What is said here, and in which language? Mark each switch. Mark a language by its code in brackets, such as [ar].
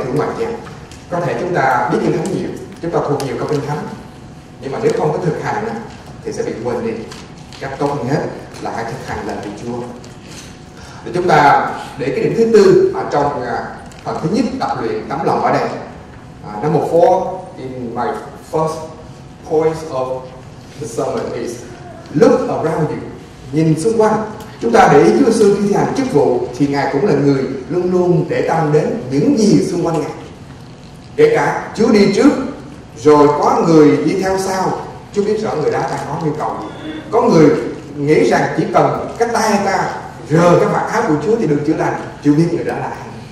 [vi] Thưa ngoài kia, có thể chúng ta biết kinh thánh nhiều, chúng ta thuộc nhiều câu kinh thánh, nhưng mà nếu không có thực hành thì sẽ bị quên đi. Cách tốt nhất là hãy thực hành lời Chúa. Để chúng ta để cái điểm thứ tư ở trong phần thứ nhất tập luyện tấm lòng ở đây. [en] Number four in my first point of the sermon is look around you. [vi] Nhìn xung quanh. Chúng ta để ý Chúa Giêsu khi thi hành chức vụ thì Ngài cũng là người luôn luôn để tâm đến những gì xung quanh Ngài. Kể cả Chúa đi trước rồi có người đi theo sau, Chúa biết rõ người đó đang có nhu cầu gì. Có người nghĩ rằng chỉ cần cái tay ta rờ cái mặt áo của Chúa thì được chữa lành, Chúa biết người đó là ai.